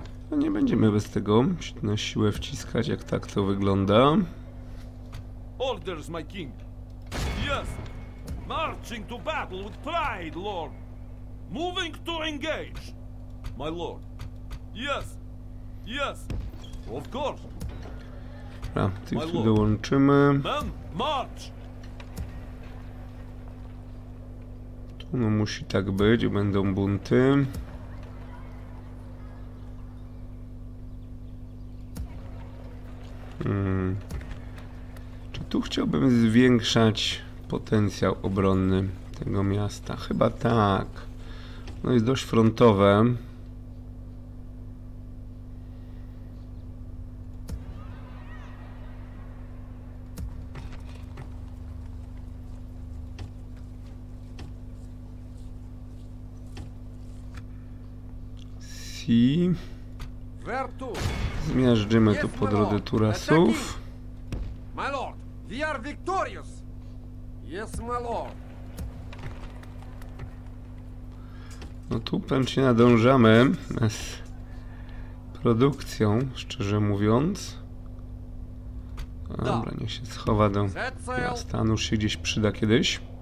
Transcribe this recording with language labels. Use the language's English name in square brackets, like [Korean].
[Polish] No nie będziemy bez tego na siłę wciskać, jak tak to wygląda. [English] Orders, my king. Yes. Marching to battle with pride, lord. Moving to engage, my lord. Yes. Yes. Of course. [Polish] Dobra, tych tu dołączymy. [English] Men, march. [Polish] Tu no musi tak być, będą bunty. Czy tu chciałbym zwiększać potencjał obronny tego miasta? Chyba tak. No jest dość frontowe. i... Zmiażdżymy tu po drodze Turasów. [English] My lord, we are victorious! Yes, my lord. [Polish] No tu pewnie nadążamy z produkcją, szczerze mówiąc. Dobra, niech się schowa do miasta. Anusz się gdzieś przyda kiedyś.